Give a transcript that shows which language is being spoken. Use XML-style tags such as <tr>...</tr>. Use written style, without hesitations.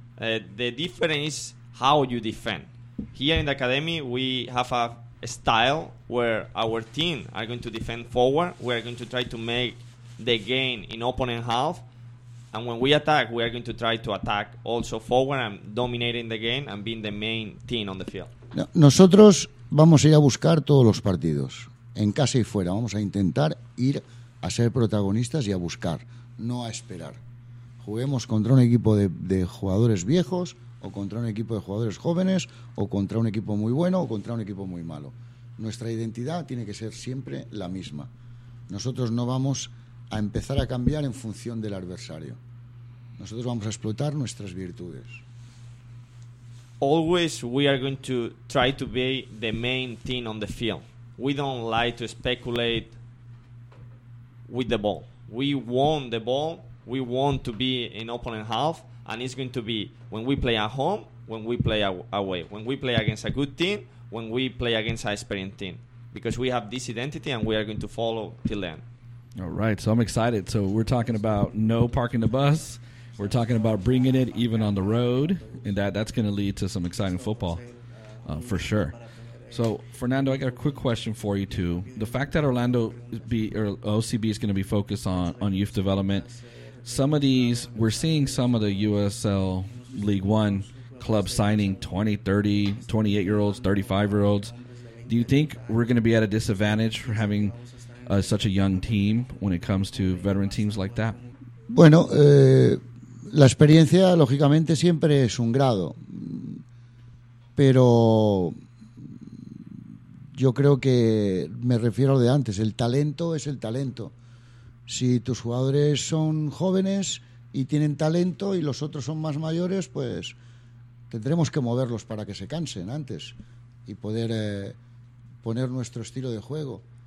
<en>The difference is how you defend. Here in the academy, we have a style where our team are going to defend forward. We are going to try to make the gain in opponent half. And when we attack, we are going to try to attack also forward and dominating the game and being the main team on the field.</en> <es>Nosotros vamos a ir a buscar todos los partidos. En casa y fuera, vamos a intentar ir a ser protagonistas y a buscar, no a esperar. Juguemos contra un equipo de jugadores viejos, o contra un equipo de jugadores jóvenes, o contra un equipo muy bueno, o contra un equipo muy malo. Nuestra identidad tiene que ser siempre la misma. Nosotros no vamos a empezar a cambiar en función del adversario. Nosotros vamos a explotar nuestras virtudes.</es> <en>Always we are going to try to be the main thing on the field. We don't like to speculate with the ball. We want the ball. We want to be in opponent half. And it's going to be when we play at home, when we play away. When we play against a good team, when we play against an experienced team. Because we have this identity and we are going to follow till then. All right. So I'm excited. So we're talking about no parking the bus. We're talking about bringing it even on the road, and that's going to lead to some exciting football for sure. So, Fernando, I got a quick question for you, too. The fact that Orlando or OCB is going to be focused on youth development, some of these, we're seeing some of the USL League One clubs signing 20, 30, 28-year-olds, 35-year-olds. Do you think we're going to be at a disadvantage for having such a young team when it comes to veteran teams like that?</en> <es>Bueno, la experiencia, lógicamente, siempre es un grado. Pero yo creo que me refiero a lo de antes. El talento es el talento. Si tus jugadores son jóvenes y tienen talento y los otros son más mayores, pues tendremos que moverlos para que se cansen antes y poder poner nuestro estilo de juego.</es>